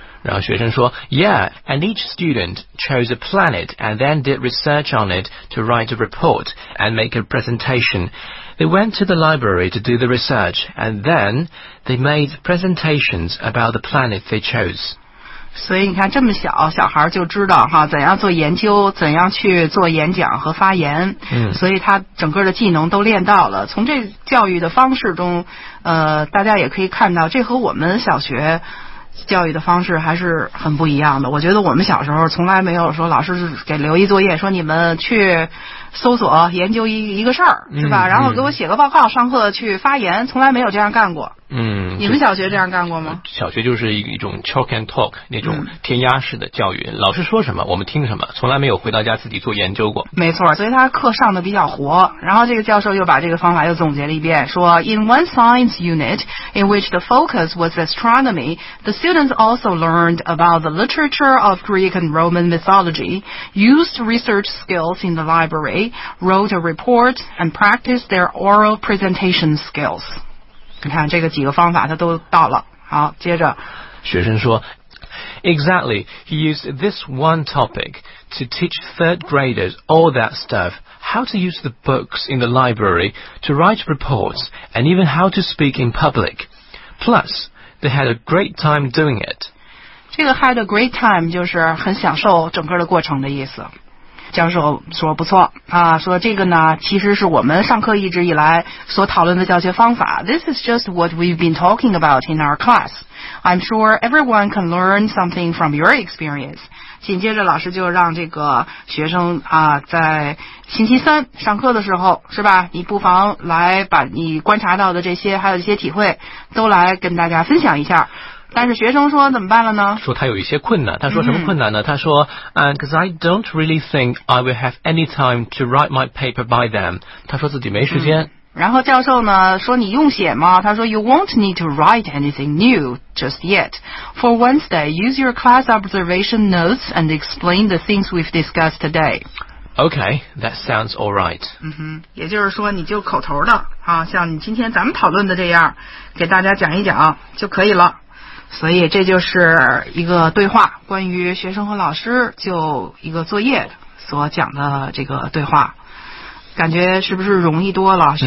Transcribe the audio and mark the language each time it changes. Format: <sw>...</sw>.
<zh>然后学生说</zh> <en>，Yeah, and each student chose a planet and then did research on it to write a report and make a presentation. They went to the library to do the research and then they made presentations about the planet they chose.</en> <zh>所以你看，这么小小孩就知道哈，怎样做研究，怎样去做演讲和发言。嗯。所以他整个的技能都练到了。从这教育的方式中，大家也可以看到，这和我们小学。教育的方式还是很不一样的。我觉得我们小时候从来没有说老师给留一作业，说你们去搜索研究一个事儿，是吧？然后给我写个报告，上课去发言，从来没有这样干过。嗯，你们小学这样干过吗？小学就是一种</zh> <en>chalk and talk</en> <zh>那种填鸭式的教育、嗯，老师说什么我们听什么，从来没有回到家自己做研究过。没错，所以他课上的比较活。然后这个教授又把这个方法又总结了一遍，说</zh> <en>In one science unit in which the focus was astronomy, the students also learned about the literature of Greek and Roman mythology, used research skills in the library, wrote a report, and practiced their oral presentation skills.</en> <zh>你看这个几个方法他都到了。好，接着学生说</zh> <en>Exactly. He used this one topic to teach third graders all that stuff, how to use the books in the library, to write reports, and even how to speak in public. Plus, they had a great time doing it.</en> <zh>这个 had a great time 就是很享受整个的过程的意思。教授说不错啊，说这个呢其实是我们上课一直以来所讨论的教学方法。</zh> <en>This is just what we've been talking about in our class. I'm sure everyone can learn something from your experience.</en> <zh>紧接着老师就让这个学生啊，在星期三上课的时候是吧，你不妨来把你观察到的这些还有一些体会都来跟大家分享一下。但是学生说怎么办了呢？说他有一些困难。他说</zh> <en>什么困难呢？他说 Because I don't really think I will have any time to write my paper by then.</en> <zh>他说自己没时间。然后教授呢说你用写吗？他说</zh> <en>You won't need to write anything new just yet. For Wednesday, use your class observation notes and explain the things we've discussed today. Okay, that sounds all right.</en> <zh>也就是说你就口头的啊，像你今天咱们讨论的这样给大家讲一讲就可以了。所以这就是一个对话，关于学生和老师就一个作业所讲的这个对话，感觉是不是容易多了？</zh>